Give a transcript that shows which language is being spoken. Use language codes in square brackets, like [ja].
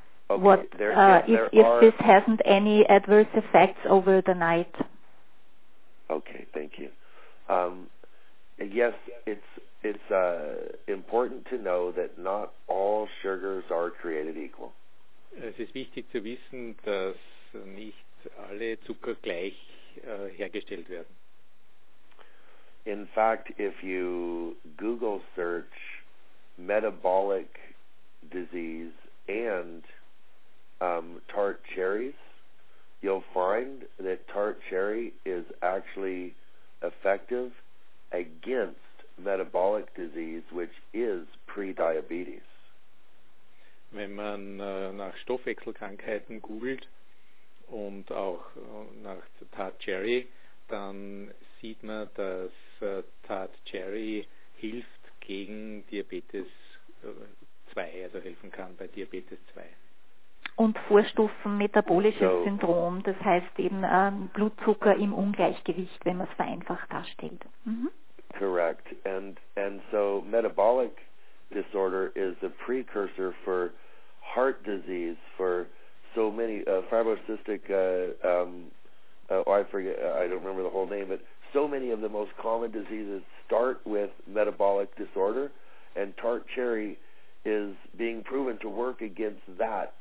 [en] Okay, if this hasn't any adverse effects over the night. Okay, thank you. Yes, it's important to know that not all sugars are created equal. [de] Es ist wichtig zu wissen, dass nicht alle Zucker gleich hergestellt werden. [en] In fact, if you Google search metabolic disease and tart cherries, you'll find that tart cherry is actually effective against metabolic disease, which is pre-diabetes. [de] Wenn man nach Stoffwechselkrankheiten googelt und auch nach Tart Cherry, dann sieht man, dass Tart Cherry hilft gegen Diabetes 2, also helfen kann bei Diabetes 2. Und Vorstufen metabolisches Syndrom, das heißt eben Blutzucker im Ungleichgewicht, wenn man es vereinfacht darstellt. Mhm. [en] Correct. And so metabolic disorder is a precursor for heart disease, for so many fibrocystic, I don't remember the whole name, but so many of the most common diseases start with metabolic disorder, and tart cherry is being proven to work against that.